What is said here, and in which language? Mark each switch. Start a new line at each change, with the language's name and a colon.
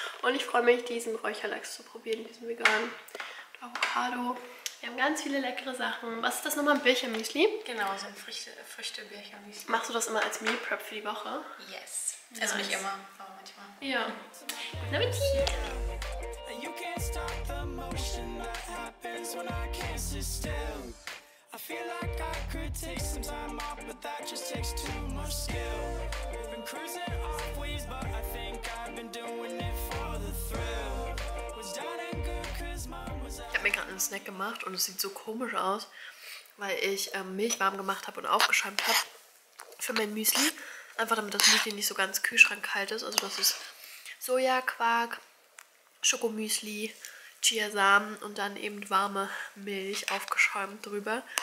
German: Und ich freue mich, diesen Räucherlachs zu probieren, diesen veganen Avocado. Wir haben ganz viele leckere Sachen. Was ist das nochmal? Ein Birchermüsli? Genau, so ein Früchte-Birchermüsli. Machst du das immer als Meal Prep für die Woche?
English: Yes. Nice.
German: Also nicht immer, aber manchmal. Ja. Guten Appetit!
English: You can't stop the motion that happens when I can't sit still. I feel like I could take some time off, but that just takes too much skill. We've been cruising off ways, but I think I've been doing it for the thrill. Was done and good, cause mom was out.
German: Ich hab mir gerade einen Snack gemacht und es sieht so komisch aus, weil ich Milch warm gemacht habe und aufgeschäumt habe für mein Müsli. Einfach damit das Müsli nicht so ganz kühlschrankkalt ist. Also das ist Sojaquark, Schokomüsli, Chiasamen und dann eben warme Milch aufgeschäumt drüber.